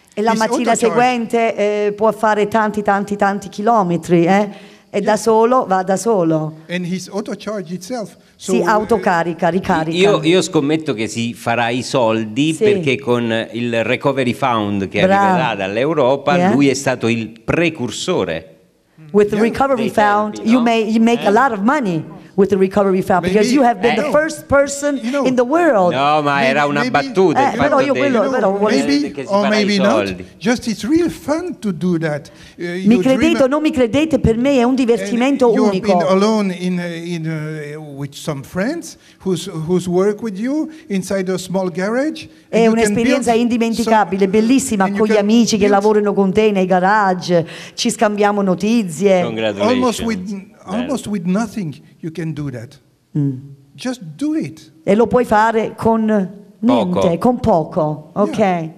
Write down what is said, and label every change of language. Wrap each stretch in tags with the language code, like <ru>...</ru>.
<it>E la mattina seguente può fare tanti chilometri, e da solo va da solo.</it> <en>And his auto-charge itself.</en> <it>So, si autocarica, ricarica. Io scommetto che si farà i soldi, sì. Perché con il Recovery Fund che arriverà dall'Europa, lui è stato il precursore.</it> <en>With the Recovery Fund, no? you make a lot of money. With the Recovery Fund, maybe, because you have been the first person in the world.</en> <it>No, ma</it> <en>maybe,</en> <it>era una battuta. Però io quello, però</it> <en>maybe, or maybe not. Just it's real fun to do that.</en> <it>Mi credete o non mi credete, per me è un divertimento</it> <en>you've</en> <it>unico.</it> <en>You've been alone in with some friends who's work with you inside a small garage.</en> <it>È un'esperienza indimenticabile, bellissima, con gli amici che lavorano con te nei garage. Ci scambiamo notizie.</it> <en>Congratulations. Almost with nothing you can do that. Just do it.</en> <it>E lo puoi fare con niente, con poco, ok?</it>